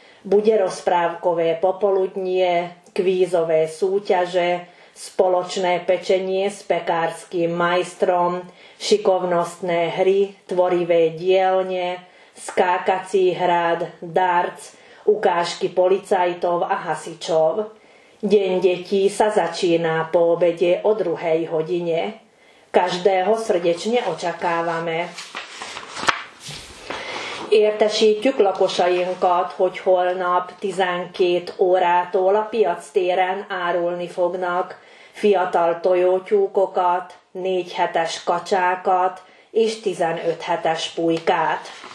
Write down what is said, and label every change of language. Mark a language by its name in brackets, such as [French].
[Slovak] Bude rozprávkové popoludnie, kvízové súťaže, spoločné pečenie s pekárskym majstrom, šikovnostné hry, tvorivé dielne, skákací hrad, darts, ukážky policajtov a hasičov. Deň detí sa začína po obede o 2. hodine. Každého srdečne očakávame. [Hungarian] Értesítjük lakosainkat, hogy holnap 12 órától a piac téren árulni fognak fiatal tojótyúkokat, 4 hetes kacsákat és 15 hetes pulykát.